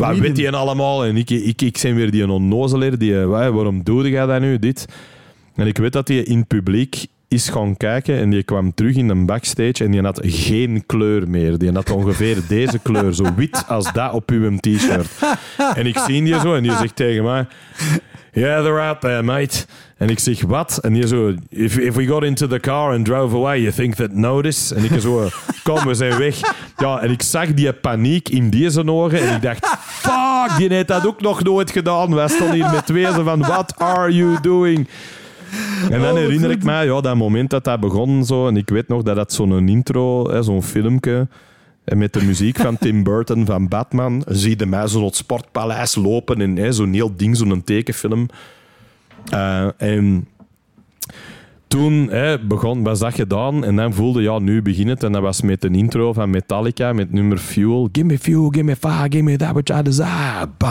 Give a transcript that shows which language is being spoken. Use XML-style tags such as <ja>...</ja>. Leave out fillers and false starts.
<nl>wat weet die allemaal? En ik ben weer die onnozeler. Waarom doe je dat nu, dit? En ik weet dat hij in het publiek is gaan kijken. En die kwam terug in de backstage. En die had geen kleur meer. Die had ongeveer deze kleur. Zo wit als dat op uw t-shirt. En ik zie die zo. En die zegt tegen mij...</nl> <en>Yeah, they're out there, mate.</en> <nl>En ik zeg, wat? En die zo...</nl> <en>If we got into the car and drove away, you think that notice?</en> <nl>En ik zo... Kom, we zijn weg. Ja, en ik zag die paniek in deze ogen. En ik dacht... Fuck, die heeft dat ook nog nooit gedaan. Wij stonden hier met twee van...</nl> <en>What are you doing?</en> <nl>En dan herinner ik me, ja, dat moment dat begon zo. En ik weet nog dat dat zo'n intro, hè, zo'n filmpje, met de muziek van Tim Burton van Batman, zie je mij zo op het sportpaleis lopen en hè, zo'n heel ding, zo'n tekenfilm. En toen hè, begon, was dat gedaan en dan voelde je, ja, nu begint het. En dat was met een intro van Metallica, met nummer Fuel.</nl> <en>Give me fuel, give me fire, give me that which I desire.</en>